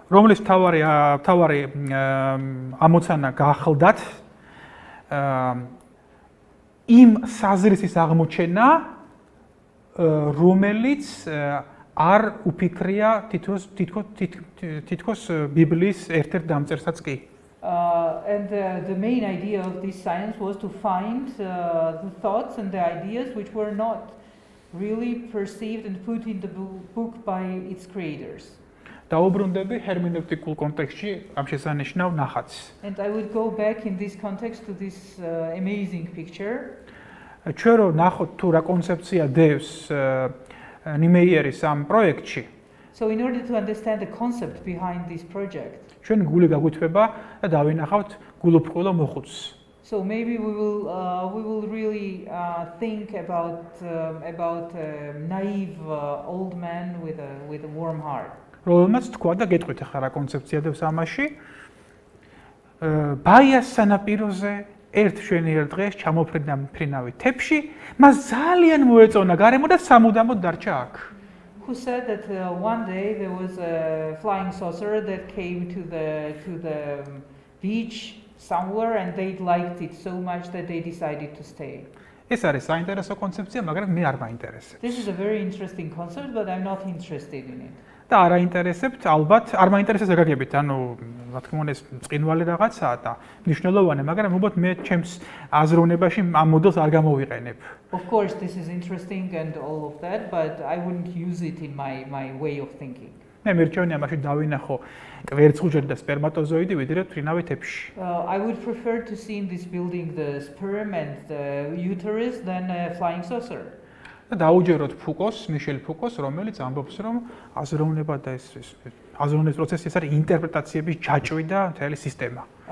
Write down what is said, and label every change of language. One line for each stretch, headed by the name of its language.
Georgian: რომელიც თავარი ამოცანა გახლდათ იმ საზრისის აღმოჩენა რომელიც არ უფიქრია თითქოს ბიბლიის ერთ-ერთ დამწერსაც კი.
English: And the main idea of this science was to find the thoughts and the ideas which were not really perceived and put in the book by its creators.
Georgian: დაუბრუნდები ჰერმენევტიკულ კონტექსტში ამ შესანიშნავ ნახატს.
English: And I would go back in this context to this amazing picture.
Georgian: ჩვენ რო ნახოთ თუ რა კონცეფცია დევს ნიმეიერის ამ პროექტში.
English: So in order to understand the concept behind this project.
Georgian: ჩვენ გული გაგვითვება და დავინახავთ გულუფრყვილო მოხუცს.
English: So maybe we will really think about a naive old man with a warm heart.
Georgian: რომელმაც თქვა და გეტყვით ახლა რა კონცეფცია დევს ამაში. ბაიას სანაპიროზე ერთ შვენიერ დღეს ჩამოფრინდა ფრინავი თებში, მას ძალიან მოეწონა გარემო და სამუდამოდ დარჩა აქ.
English: Who said that one day there was a flying saucer that came to the beach somewhere and they liked it so much that they decided to stay.
Georgian: ეს არის საინტერესო კონცეფცია, მაგრამ მე არ მაინტერესებს.
English: This is a very interesting concept but I'm not interested in it.
Georgian: და არ აინტერესებთ, ალბათ, არ მაინტერესებს ეგაგებით, ანუ რა თქმა უნდა ეს წინვალი რაღაცაა და მნიშვნელოვანი, მაგრამ უბრალოდ მე ჩემს აზროვნებაში ამ მოდელს არ გამოვიყენებ.
English: Of course this is interesting and all of that, but I wouldn't use it in my way of thinking.
Georgian: მე მირჩევნია მაშინ დავინახო კვერცხუჯრედი და სპერმატოზოიდი ვიდრე ფრინავი თეფში.
English: I would prefer to see in this building the sperm and the uterus than a flying saucer.
Georgian: დაუჯეროთ ფუკოს, მიშელ ფუკოს, რომელიც ამბობს, რომ აზროვნება და ეს აზროვნების პროცესი ეს არის ინტერპრეტაციების ჯაჭვი და მთელი სისტემა.